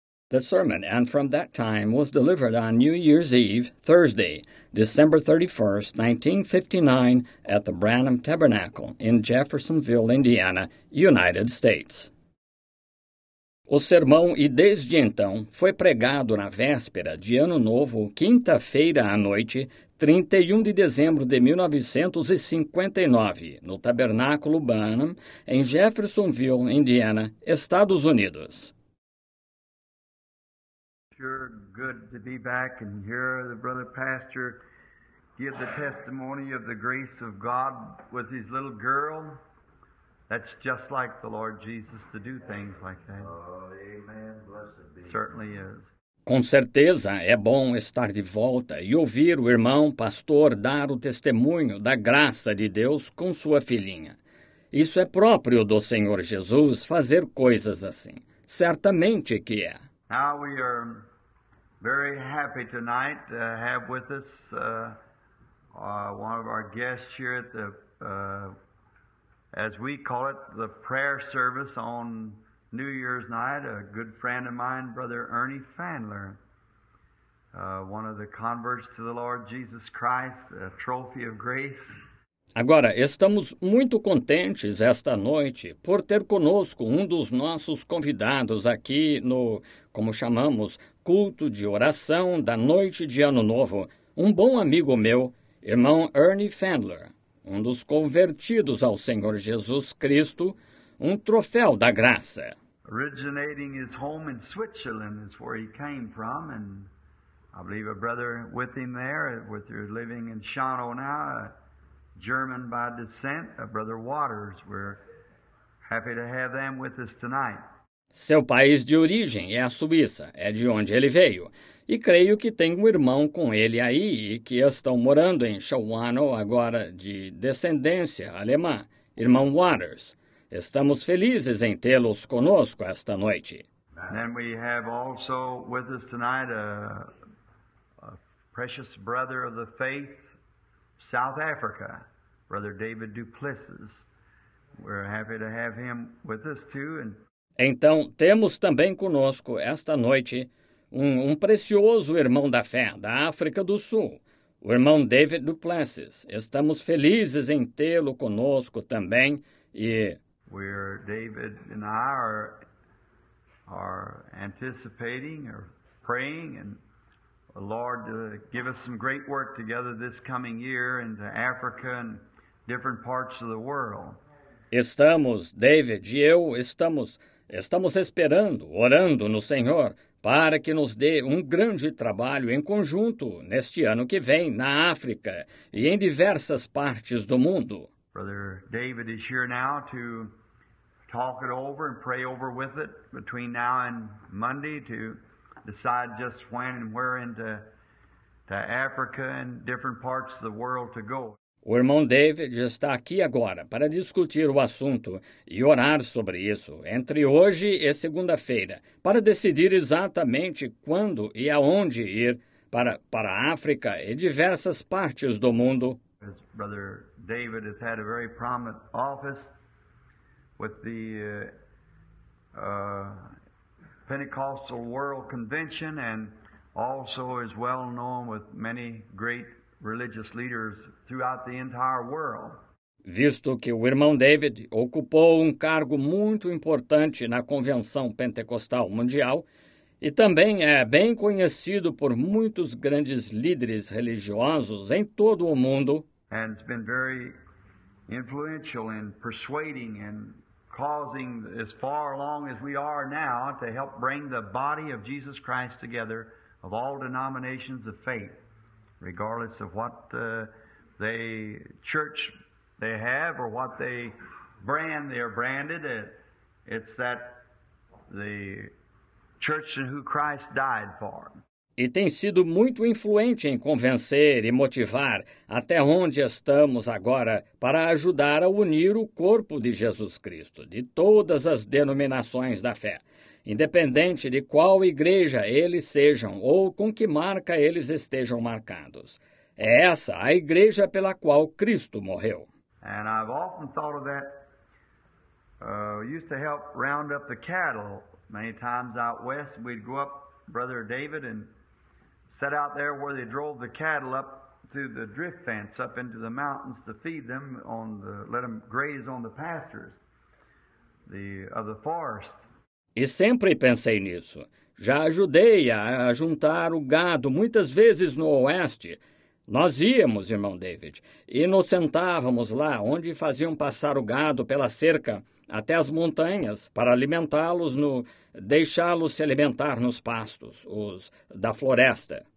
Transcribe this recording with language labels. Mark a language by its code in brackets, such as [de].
[en] The sermon and from that time was delivered on New Year's Eve, Thursday, December 31, 1959, at the Branham Tabernacle in Jeffersonville, Indiana, United States. [pt] O sermão e desde então foi pregado na véspera de Ano Novo, quinta-feira à noite, 31 de dezembro de 1959, no Tabernáculo Branham, em Jeffersonville, Indiana, Estados Unidos. [en] Sure, good to be back and hear the brother pastor give the testimony of the grace of God with his little girl. That's just like the Lord Jesus to do things like that. Amen. Blessed be. Certainly is. [pt] Com certeza é bom estar de volta e ouvir o irmão pastor dar o testemunho da graça de Deus com sua filhinha. Isso é próprio do Senhor Jesus fazer coisas assim. Certamente que é. [en] Now we are very happy tonight to have with us one of our guests here at the, as we call it, the prayer service on New Year's night, a good friend of mine, Brother Ernie Fandler, one of the converts to the Lord Jesus Christ, a trophy of grace. [pt] Agora, estamos muito contentes esta noite por ter conosco um dos nossos convidados aqui no, como chamamos, culto de oração da noite de Ano Novo, um bom amigo meu, irmão Ernie Fandler, um dos convertidos ao Senhor Jesus Cristo, um troféu da graça. [en] Originating his home in Switzerland is where he came from, and I believe a brother with him there, with your living in Shano now. German by descent, a brother Waters. We're happy to have them with us tonight. [pt] Seu país de origem é a Suíça, é de onde ele veio. E creio que tem um irmão com ele aí e que estão morando em Shawano agora de descendência alemã, irmão Waters. Estamos felizes em tê-los conosco esta noite. [en] And then we have also with us tonight a precious brother of the faith, South Africa, Brother David Duplessis. We're happy to have him with us too. And [pt] então, temos também conosco esta noite um precioso irmão da fé da África do Sul, o irmão David Duplessis. Estamos felizes em tê-lo conosco também. E [en] we're David and I are anticipating or praying and Lord, give us some great work together this coming year in Africa and different parts of the world. [pt] Estamos, David e eu, estamos esperando, orando no Senhor para que nos dê um grande trabalho em conjunto neste ano que vem na África e em diversas partes do mundo. [en] Brother David is here now to talk it over and pray over with it between now and Monday to decide just when and where into Africa and different parts of the world to go. [pt] O irmão David está aqui agora para discutir o assunto e orar sobre isso entre hoje e segunda-feira para decidir exatamente quando e aonde ir para a África e diversas partes do mundo. [en] As Brother David has had a very prominent office with the Pentecostal World Convention and also is well known with many great religious leaders throughout the entire world. [pt] Visto que o irmão David ocupou um cargo muito importante na Convenção Pentecostal Mundial e também é bem conhecido por muitos grandes líderes religiosos em todo o mundo. [en] And it's been very influential in persuading and causing as far along as we are now to help bring the body of Jesus Christ together of all denominations of faith, regardless of what they church they have or what they brand they are branded. It's that the church in who Christ died for. [pt] E tem sido muito influente em convencer e motivar até onde estamos agora para ajudar a unir o corpo de Jesus Cristo, de todas as denominações da fé, independente de qual igreja eles sejam ou com que marca eles estejam marcados. É essa a igreja pela qual Cristo morreu. [en] And I've often thought of that. Used to help round up the cattle Many times out west, we'd go up, Brother David, and set out there where they drove the cattle up through the drift fence up into the mountains to feed them on the, let them graze on the pastures of the forest. [pt] E sempre pensei nisso. Já ajudei a juntar o gado muitas vezes no oeste. Nós íamos, irmão David, e nos sentávamos lá onde faziam passar o gado pela cerca até as montanhas para alimentá-los no... deixá-los se alimentar nos pastos, os da floresta.